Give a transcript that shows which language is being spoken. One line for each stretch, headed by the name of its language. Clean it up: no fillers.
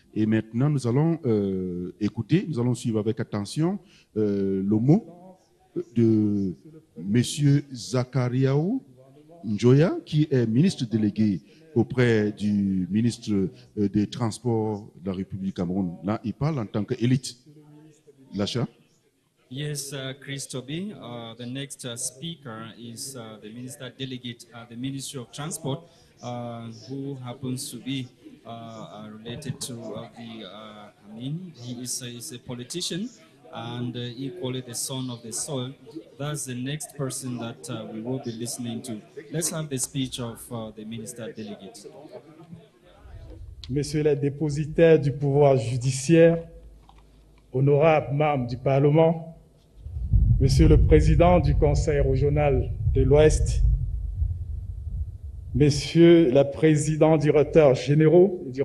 French: Et maintenant, nous allons écouter, nous allons suivre avec attention le mot de M. Zakariaou Njoya, qui est ministre délégué auprès du ministre des Transports de la République du Cameroun. Là, il parle en tant qu'élite. Lasha.
English: Yes, Chris Toby. The next speaker is the Minister Delegate at the Ministry of Transport, who happens to be related to he is a politician and equally the son of the soil. That's the next person that we will be listening to. Let's have the speech of the Minister Delegate.
French: Monsieur le dépositaire du pouvoir judiciaire, honorable membre du Parlement, Monsieur le Président du Conseil régional de l'Ouest, Monsieur le Président directeur général,